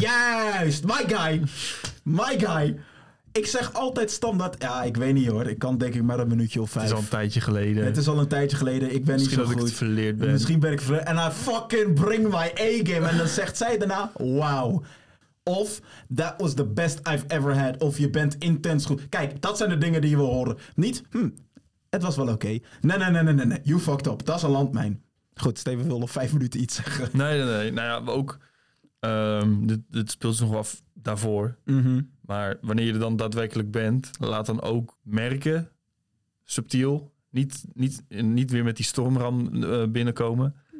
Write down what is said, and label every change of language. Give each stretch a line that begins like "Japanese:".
English: Juist, my guy.
Dutch: Ik zeg altijd standaard, ja, ik weet niet hoor. Ik kan denk ik maar een minuutje of 5. Het is al een tijdje geleden. Ik ben misschien niet zo goed. Misschien ben ik verleerd.
English: En I fucking bring my A-game.
Dutch: En dan zegt zij daarna, wow.
English: Of, that was the best I've ever had.
Dutch: Of, je bent intens goed. Kijk, dat zijn de dingen die we horen. Niet, het was wel oké. Okay. Nee.
English: You fucked up.
Dutch: Dat is een landmijn. Goed, Steven wil nog 5 minuten iets zeggen. Nee. Nou ja, ook. Dit speelt zich nog af daarvoor. Mm-hmm. Maar wanneer je er dan daadwerkelijk bent, laat dan ook merken, subtiel, niet weer met die stormram binnenkomen.